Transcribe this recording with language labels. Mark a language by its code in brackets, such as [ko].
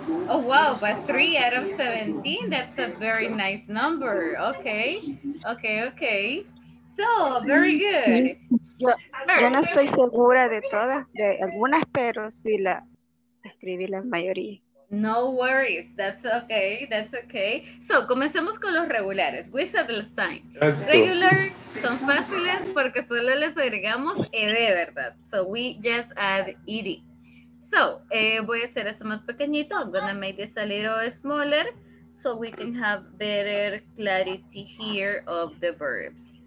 [en] Oh, wow, but three out of 17, that's a very nice number. Okay, okay, okay. So, very good. [es] Yo no estoy segura de todas, de algunas, pero sí las escribí la mayoría. [en] No worries, that's okay, that's okay. So, [es] comencemos con los regulares. [en] We said last time. [es] Regular son fáciles porque solo les agregamos ed, ¿verdad? [en] So, we just add ed. So, [es] voy a hacer eso más pequeñito. [en] I'm gonna make this a little smaller so we can have better clarity here of the verbs.